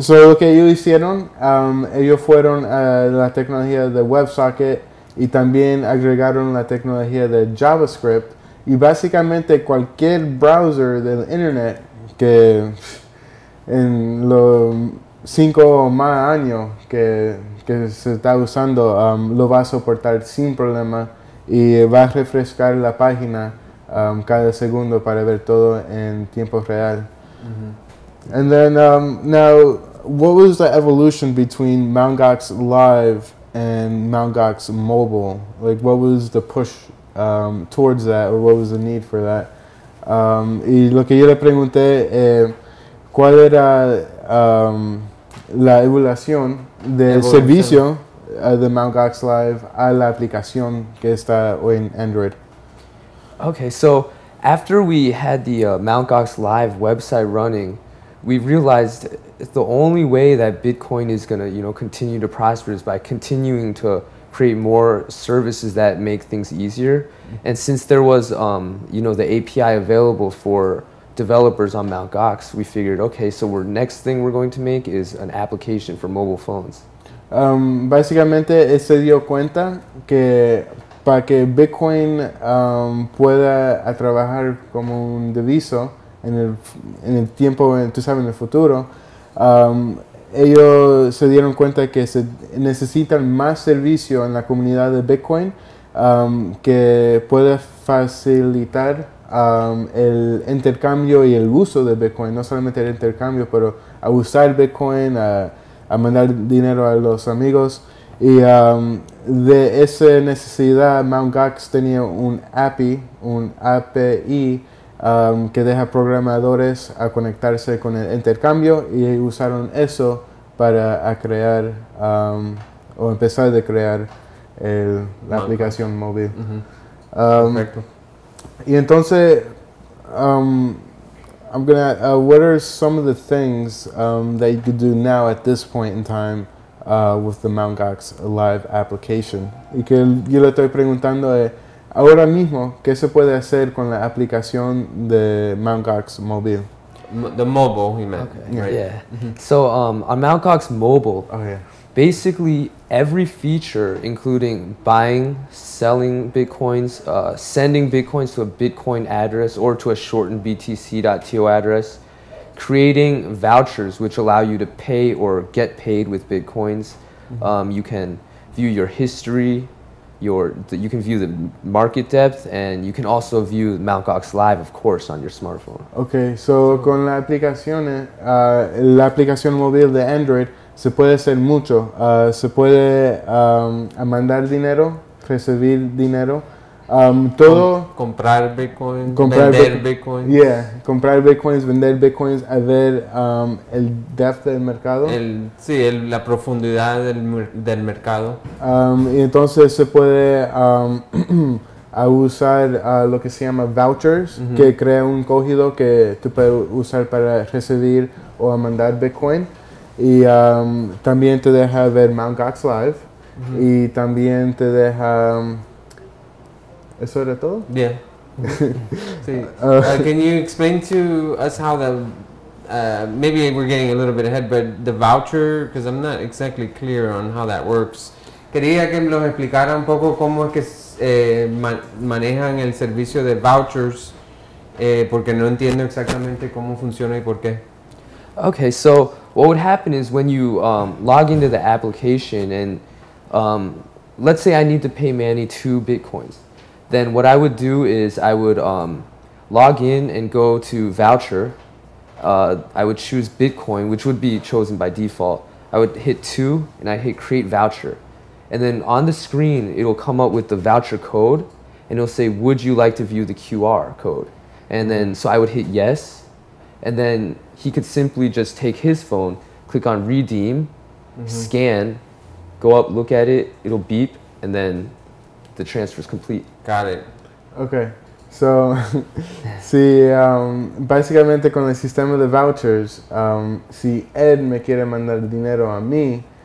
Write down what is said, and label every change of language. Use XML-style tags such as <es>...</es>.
<es>So lo que ellos hicieron, ellos fueron a la tecnología de WebSocket y también agregaron la tecnología de JavaScript, y básicamente cualquier browser del internet que en los 5 o más años que se está usando, lo va a soportar sin problema, y va a refrescar la página cada segundo para ver todo en tiempo real. Mm-hmm.</es> <en>And then, now, what was the evolution between Mt. Gox Live and Mt. Gox Mobile? Like, what was the push towards that, or what was the need for that?</en> <es>Y lo que yo le pregunté, ¿cuál era la evolución del servicio de Mt. Gox Live a la aplicación que está hoy en Android?</es> <en>Okay, so after we had the Mt. Gox Live website running, we realized the only way that Bitcoin is going to, you know, continue to prosper is by continuing to create more services that make things easier. And since there was, you know, the API available for developers on Mt. Gox, we figured, okay, so our next thing we're going to make is an application for mobile phones.</en> <es>Básicamente, él se dio cuenta que para que Bitcoin pueda trabajar como un deviso, en el tiempo, tú sabes, en el futuro, ellos se dieron cuenta que se necesitan más servicio en la comunidad de Bitcoin que puede facilitar el intercambio y el uso de Bitcoin, no solamente el intercambio, pero a usar Bitcoin, a mandar dinero a los amigos. Y de esa necesidad, Mt. Gox tenía un API, un API que deja programadores a conectarse con el intercambio, y usaron eso para crear o empezar a crear la aplicación móvil. Perfecto. Y entonces,</es> <en>what are some of the things that you could do now at this point in time with the Mt. Gox Live application?</en> <es>Y que yo le estoy preguntando ahora mismo, ¿qué se puede hacer con la aplicación de Mt. Gox Mobile?</es> <en>The mobile, you meant. Okay. Yeah. Right. Yeah. Mm-hmm. So on Mt. Gox Mobile, basically every feature, including buying, selling Bitcoins, sending Bitcoins to a Bitcoin address or to a shortened BTC.to address, creating vouchers which allow you to pay or get paid with Bitcoins, you can view your history, you can view the market depth, and you can also view Mt. Gox Live, of course, on your smartphone. Okay, so</en> <es>con la aplicación móvil de Android, se puede hacer mucho. Se puede mandar dinero, recibir dinero, todo. Comprar Bitcoins, vender Bitcoins, a ver el depth del mercado. La profundidad del mercado. Y entonces se puede usar lo que se llama vouchers, uh-huh. que crea un código que tú puedes usar para recibir o mandar Bitcoin. Y también te deja ver Mt. Gox Live. Uh-huh. Y también te deja... ¿Eso era todo?</es> <en>Yeah. Sí. Can you explain to us how the... maybe we're getting a little bit ahead, but the voucher, because I'm not exactly clear on how that works.</en> <es>Quería que nos explicara un poco cómo es que manejan el servicio de vouchers, porque no entiendo exactamente cómo funciona y por qué.</es> <en>Okay, so what would happen is when you log into the application and let's say I need to pay Manny 2 Bitcoins. Then what I would do is I would log in and go to voucher. I would choose Bitcoin, which would be chosen by default. I would hit 2 and I hit create voucher. And then on the screen, it'll come up with the voucher code and it'll say, would you like to view the QR code? And then, so I would hit yes. And then he could simply just take his phone, click on redeem, scan, go up, look at it, it'll beep, and then the transfer is complete. Got it. Okay.</en> <es>So, si, básicamente con el sistema de vouchers, si Ed me quiere mandar dinero a mí...</es>